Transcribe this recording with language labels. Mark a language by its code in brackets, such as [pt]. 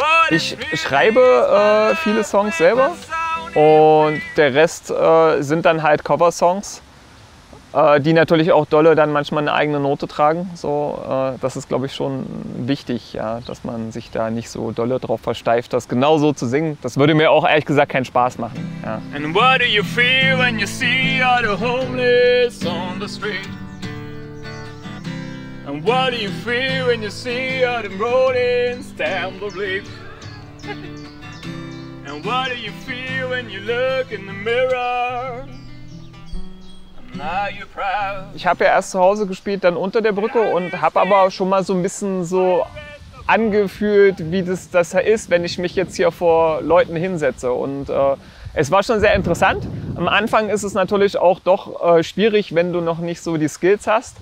[de] Ich schreibe viele Songs selber und der Rest sind dann halt Cover-Songs, die natürlich auch dolle dann manchmal eine eigene Note tragen. So, das ist, glaube ich, schon wichtig, ja, dass man sich da nicht so dolle drauf versteift, das genau so zu singen. Das würde mir auch ehrlich gesagt keinen Spaß machen. Ja. [en] And what do you feel when you see all the homeless on the street? And what do you feel when you see all them rolling stamp of leaf? And what do you feel when you look in the mirror? And [de] Ich habe ja erst zu Hause gespielt, dann unter der Brücke und habe aber schon mal so ein bisschen so angefühlt, wie das ist, wenn ich mich jetzt hier vor Leuten hinsetze. Und es war schon sehr interessant. Am Anfang ist es natürlich auch doch schwierig, wenn du noch nicht so die Skills hast.